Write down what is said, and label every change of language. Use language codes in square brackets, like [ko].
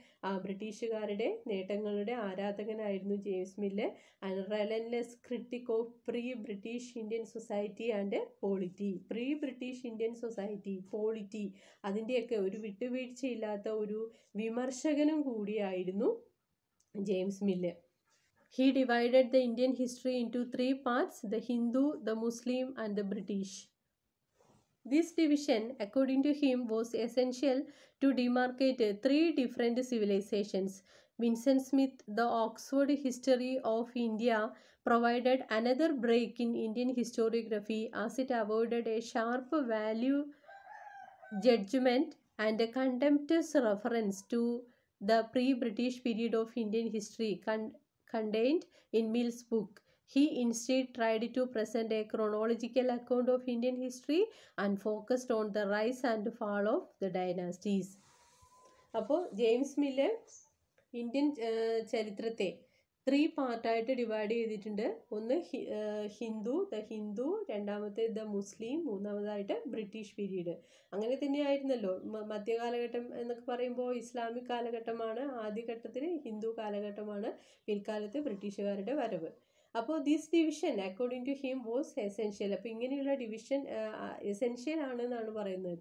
[ml] ആ ബ്രിട്ടീഷുകാരുടെ നേട്ടങ്ങളുടെ ആരാധകനായിരുന്നു James mill. [en] And relentless critic of pre British Indian society and polity. [ml] Pre British Indian society, polity, അതിൻ്റെയൊക്കെ ഒരു വിട്ടുവീഴ്ചയില്ലാത്ത ഒരു വിമർശകനും കൂടിയായിരുന്നു James mill. [en] He divided the Indian history into three parts, the Hindu, the Muslim, and the British. This division, according to him, was essential to demarcate three different civilizations. Vincent Smith, the Oxford History of India, provided another break in Indian historiography as it avoided a sharp value judgment and a contemptuous reference to the pre-British period of Indian history. Contained in Mill's book, he instead tried to present a chronological account of Indian history and focused on the rise and fall of the dynasties. [ml] Appo James Mill Indian charithrate three പാർട്ടായിട്ട് divide ചെയ്തിട്ടുണ്ട്. ഒന്ന് Hindu, the Hindu, രണ്ടാമത്തെ the Muslim, മൂന്നാമതായിട്ട് British period. അങ്ങനെ തന്നെയായിരുന്നല്ലോ, മധ്യകാലഘട്ടം എന്നൊക്കെ പറയുമ്പോൾ Islamic കാലഘട്ടമാണ് ആദ്യഘട്ടത്തിൽ, ഹിന്ദു കാലഘട്ടമാണ് പിൽക്കാലത്ത് ബ്രിട്ടീഷുകാരുടെ വരവ്. [en] അപ്പോൾ these division according to him was essential. [ml] അപ്പോൾ ഇങ്ങനെയുള്ള ഡിവിഷൻ എസെൻഷ്യൽ ആണെന്നാണ് പറയുന്നത്.